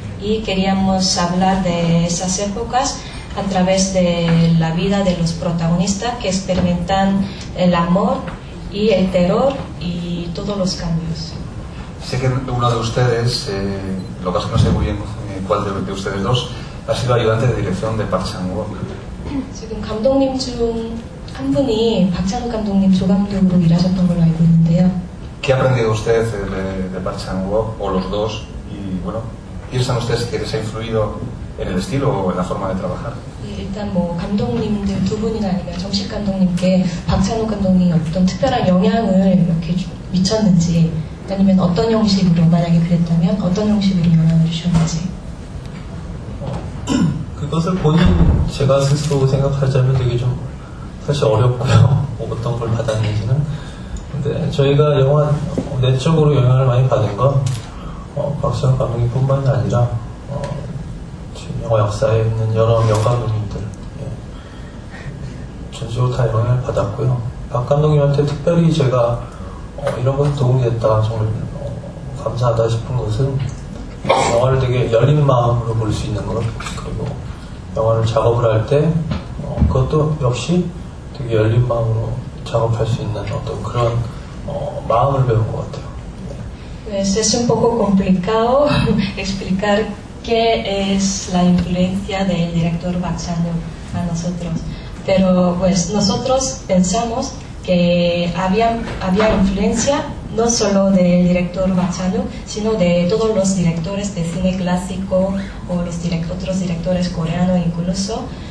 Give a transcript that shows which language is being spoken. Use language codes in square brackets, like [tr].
[es] Y queríamos hablar de esas épocas a través de la vida de los protagonistas que experimentan el amor y el terror y todos los cambios. Sé que uno de ustedes, lo que pasa es que no sé muy bien cuál de ustedes dos, ha sido ayudante de dirección de Park Chan-wook. [ko] 지금 감독님 중 한 분이 박찬욱 감독님 조감독으로 일하셨던 걸로 알고 있는데요. [es] ¿Qué ha aprendido usted de Park Chan-wook o los dos? Y bueno, ¿piensan ustedes que les ha influido en el estilo o en la forma de trabajar? [ko] 일단 뭐 감독님들 두 분이나 아니면 정식 감독님께 박찬욱 감독님이 어떤 특별한 영향을 이렇게 미쳤는지, 아니면 어떤 형식으로, 만약에 그랬다면 어떤 형식으로 영향을 주셨는지. 그것을 본인, 제가 스스로 생각하자면 되게 좀 사실 어렵고요. 어떤 걸 받았는지는. 근데 저희가 영화 내적으로 영향을 많이 받은 건 박찬욱 감독님 뿐만이 아니라 지금 영화 역사에 있는 여러 명감독님들, 예. 전적으로 다 영향을 받았고요. 박 감독님한테 특별히 제가 이런 것 도움이 됐다, 정말 감사하다 싶은 것은, 영화를 되게 열린 마음으로 볼 수 있는 것, 그리고 영화를 작업을 할 때 그것도 역시 되게 열린 마음으로 작업할 수 있는 어떤 그런 마음을 배운 것 같아요. [es] Pues es un poco complicado explicar qué es la influencia del director Park Chan-wook a nosotros, pero pues nosotros pensamos que había influencia no solo del director Park Chan-wook, sino de todos los directores de cine clásico o los otros directores coreanos incluso.